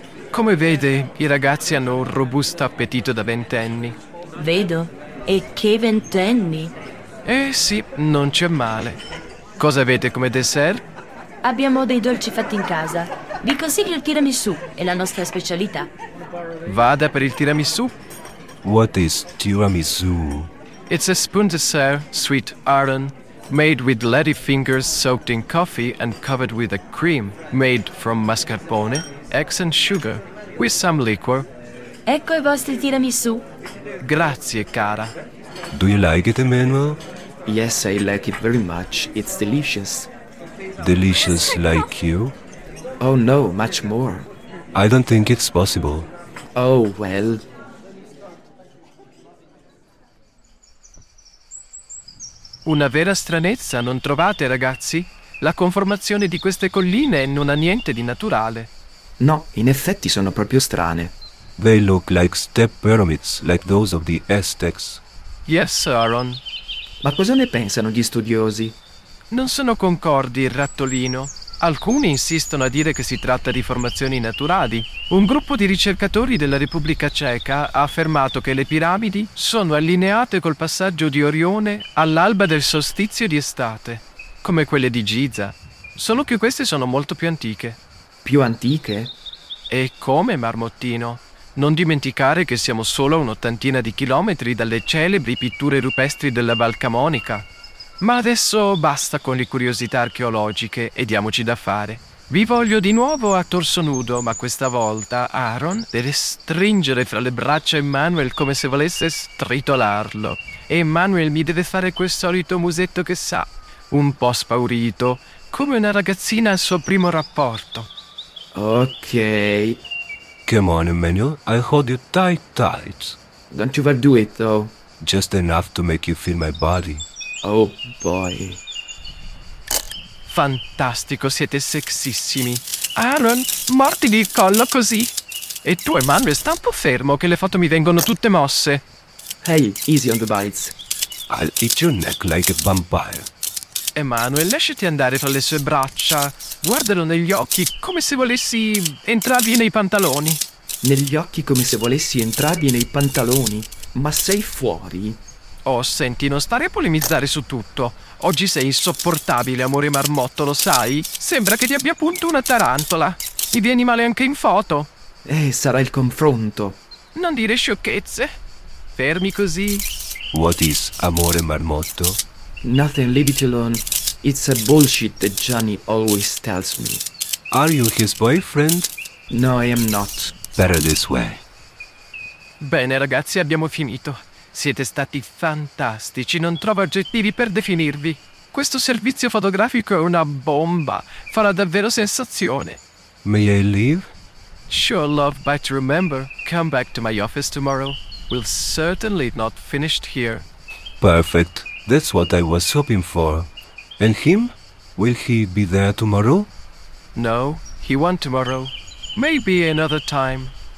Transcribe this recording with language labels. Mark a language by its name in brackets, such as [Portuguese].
[Italian] Come vede, i ragazzi hanno un robusto appetito da ventenni. Vedo. E che ventenni! Eh sì, non c'è male. Cosa avete come dessert? Abbiamo dei dolci fatti in casa. Vi consiglio il tiramisù, è la nostra specialità. Vada per il tiramisù. [English] What is tiramisù? It's a spoon dessert, sweet iron, made with lady fingers soaked in coffee and covered with a cream made from mascarpone, eggs and sugar, with some liquor. [Italian] Ecco i vostri tiramisù. Grazie, cara. [English] Do you like it, Emmanuel? Yes, I like it very much. It's delicious. Delicious like you? Oh no, much more. I don't think it's possible. Oh, well. [Italian] Una vera stranezza, non trovate, ragazzi? La conformazione di queste colline non ha niente di naturale. No, in effetti sono proprio strane. [English] They look like step pyramids, like those of the Aztecs. Yes, Aaron. [Italian] Ma cosa ne pensano gli studiosi? Non sono concordi, rattolino. Alcuni insistono a dire che si tratta di formazioni naturali. Un gruppo di ricercatori della Repubblica Ceca ha affermato che le piramidi sono allineate col passaggio di Orione all'alba del solstizio di estate, come quelle di Giza, solo che queste sono molto più antiche. Più antiche? E come, marmottino? Non dimenticare che siamo solo a un'ottantina di chilometri dalle celebri pitture rupestri della Val Camonica. Ma adesso basta con le curiosità archeologiche e diamoci da fare. Vi voglio di nuovo a torso nudo, ma questa volta Aaron deve stringere fra le braccia Emmanuel come se volesse stritolarlo. E Emmanuel mi deve fare quel solito musetto che sa, un po' spaurito, come una ragazzina al suo primo rapporto. Ok. [English] Come on, Emmanuel, I hold you tight, tight. Don't you overdo it, though. Just enough to make you feel my body. Oh, boy. [Italian] Fantastico, siete sexissimi. Aaron, morti di collo così. E tu, Emmanuel, sta un po' fermo, che le foto mi vengono tutte mosse. [English] Hey, easy on the bites. I'll eat your neck like a vampire. [Italian] Emmanuel, lasciati andare fra le sue braccia. Guardalo negli occhi, come se volessi entrargli nei pantaloni. Negli occhi come se volessi entrargli nei pantaloni? Ma sei fuori? Oh, senti, non stare a polemizzare su tutto. Oggi sei insopportabile, amore marmotto, lo sai? Sembra che ti abbia punto una tarantola. Mi vieni male anche in foto. Sarà il confronto. Non dire sciocchezze. Fermi così. [English] What is [Italian] amore marmotto? [English] Nothing, leave it alone. It's a bullshit that Johnny always tells me. Are you his boyfriend? No, I am not. Better this way. [Italian] Bene, ragazzi, abbiamo finito. Siete stati fantastici, non trovo aggettivi per definirvi. Questo servizio fotografico è una bomba, farà davvero sensazione. [English] May I leave? Sure, love, but remember, come back to my office tomorrow. We'll certainly not finished here. Perfect, that's what I was hoping for. And him? Will he be there tomorrow? No, he won't tomorrow. Maybe another time.